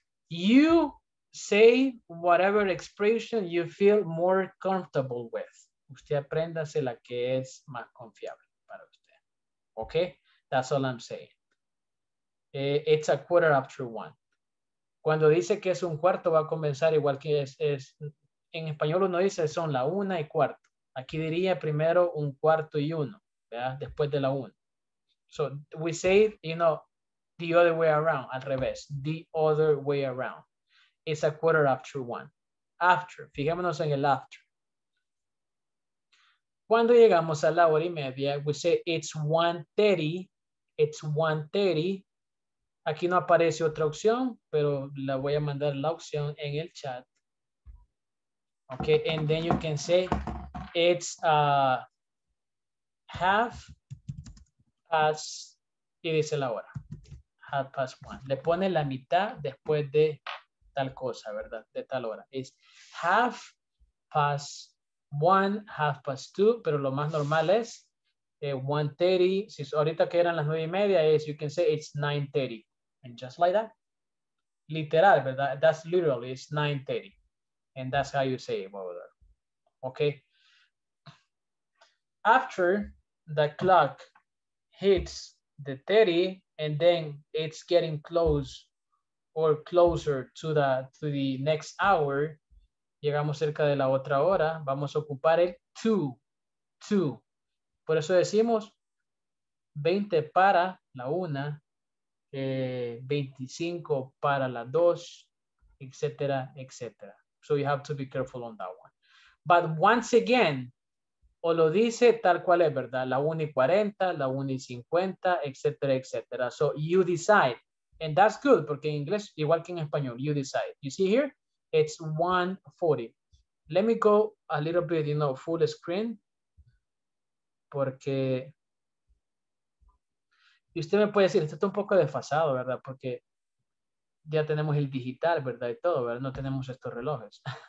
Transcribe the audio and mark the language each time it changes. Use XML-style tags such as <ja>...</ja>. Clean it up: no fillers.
<en>You say whatever expression you feel more comfortable with.</en> <es>Usted apréndase la que es más confiable para usted.</es> <en>Okay? That's all I'm saying. It's a quarter after one.</en> <es>Cuando dice que es un cuarto, va a comenzar igual que es en español uno dice son la 1:15. Aquí diría primero 1:15, ¿verdad? Después de la 1.</es> <en>So we say, you know, the other way around,</en> <es>al revés.</es> <en>The other way around. It's a quarter after one.</en> <es>After, fijémonos en el after. Cuando llegamos a la hora y media,</es> <en>we say it's 1:30. It's 1:30.</en> <es>Aquí no aparece otra opción, pero la voy a mandar la opción en el chat.</es> <en>Okay, and then you can say it's half past,</en> <es>y dice la hora,</es> <en>half past one.</en> <es>Le pone la mitad después de tal cosa, ¿verdad? De tal hora.</es> <en>It's half past one, half past two,</en> <es>pero lo más normal es 1:30. Si ahorita que eran las 9:30, es</es> <en>you can say it's 9:30. And just like that.</en> <es>Literal, ¿verdad?</es> <en>That's literally, it's 9:30. And that's how you say it over there. Okay. After the clock hits the 30, and then it's getting close or closer to the next hour,</en> <es>llegamos cerca de la otra hora, vamos a ocupar el 2. Por eso decimos 20 para la 1, 25 para la 2, etcétera, etcétera.</es> <en>So you have to be careful on that one. But once again,</en> <es>o lo dice tal cual es, ¿verdad? La 1:40, la 1:50, etcétera, etcétera.</es> <en>So you decide. And that's good,</en> <es>porque en inglés, igual que en español,</es> <en>you decide. You see here? It's 1:40. Let me go a little bit, you know, full screen.</en> <es>Porque... Y usted me puede decir, esto está un poco desfasado, ¿verdad? Porque... Ya tenemos el digital, ¿verdad? Y todo, ¿verdad? No tenemos estos relojes.</es>